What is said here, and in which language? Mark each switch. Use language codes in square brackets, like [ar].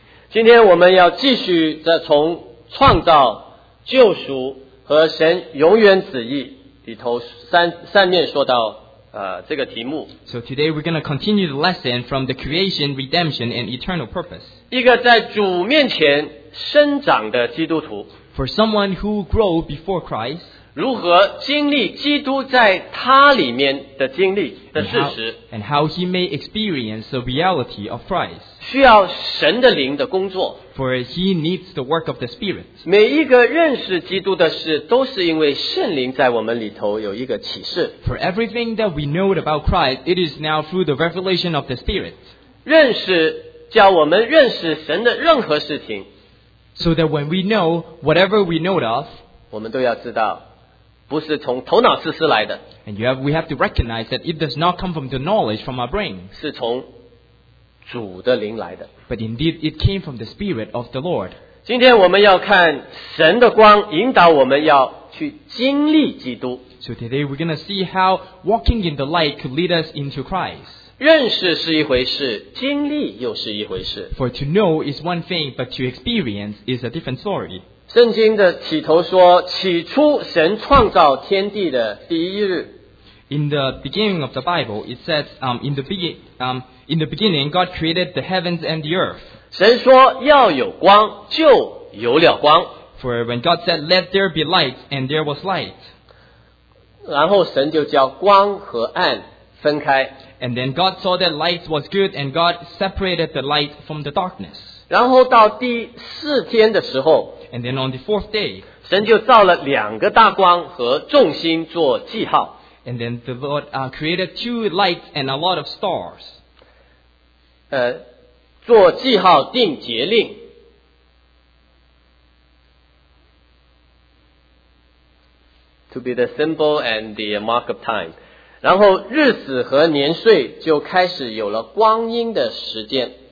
[zh] 今天我们要继续再从创造、救赎和神永远旨意里头三面说到这个题目。 [en] So today we're going to continue the lesson from the creation, redemption, and eternal purpose. [zh] 一个在主面前生长的基督徒。 [en] For someone who grew before Christ. [zh] 如何经历基督在他里面的经历的事实。 [en] And how he may experience the reality of Christ. [zh] 需要神的灵的工作。 [en] For he needs the work of the Spirit. [zh] 每一个认识基督的事都是因为圣灵在我们里头有一个启示。 [en] For everything that we know about Christ, it is now through the revelation of the Spirit. [zh] 认识叫我们认识神的任何事情。 [en] So that when we know whatever we know of, [zh] 我们都要知道不是从头脑知识来的。 [en] And we have to recognize that it does not come from the knowledge from our brain. [zh] 是从主的灵来的。 [en] But indeed, it came from the Spirit of the Lord. [zh] 今天我们要看神的光引导我们要去经历基督。 [en] So today we're going to see how walking in the light could lead us into Christ. [zh] 认识是一回事，经历又是一回事。 [en] For to know is one thing, but to experience is a different story. [zh] 圣经的起头说起初神创造天地的第一日。 [en] In the beginning of the Bible, it says, in the beginning, God created the heavens and the earth. [zh] 神说要有光就有了光。 [en] For when God said, let there be light, and there was light. [zh] 然后神就叫光和暗分开。 [en] And then God saw that light was good, and God separated the light from the darkness. [zh] 然后到第四天的时候， [en] And then on the fourth day, [zh] 神就造了两个大光和众星做记号。 [en] And then the Lord created two lights and a lot of stars. [zh] 做记号定节令。 [en] To be the symbol and the mark of time. [zh] 然后日子和年岁就开始有了光阴的时间。